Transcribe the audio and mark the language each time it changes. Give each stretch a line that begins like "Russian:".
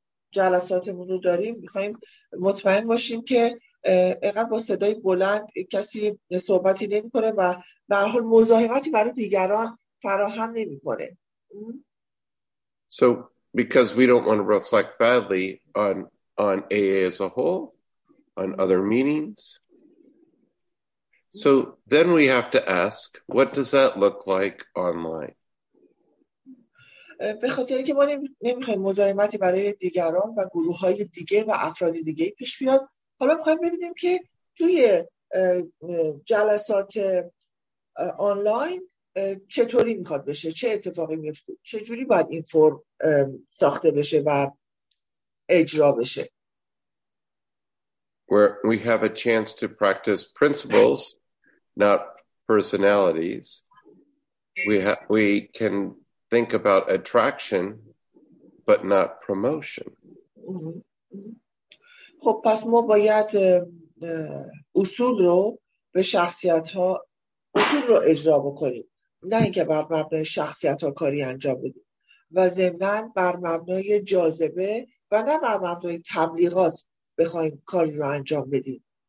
Persian: جلساتمون رو داریم، میخواییم مطمئن باشیم که اینقدر با صدای بلند کسی صحبتی نمی کنه و به هر حال مزاحمتی برای دیگران فراهم نمی کنه.
English: So because we don't want to reflect badly on AA as a whole, on other meetings. So then we have to ask, what does that look like online?
Persian: به خاطر اینکه ما نمیخوایم مزاحمتی برای دیگران و گروه های دیگه و افراد دیگه پیش بیاد، حالا میخوایم ببینیم که توی جلسات آنلاین چطوری میخواد بشه، چه اتفاقی میفته، چجوری باید این فرم ساخته بشه و اجرا بشه.
English: Where we have a chance to practice principles, not personalities. We can think about attraction, but not promotion.
Persian: خب پس ما باید اصول رو به شخصیت ها اصول رو اجرا بکنیم، نه اینکه بر مبنای شخصیت ها کاری انجام بدیم و ضمناً بر مبنای جاذبه و نه بر مبنای تبلیغات بخوایم کاری رو انجام بدیم.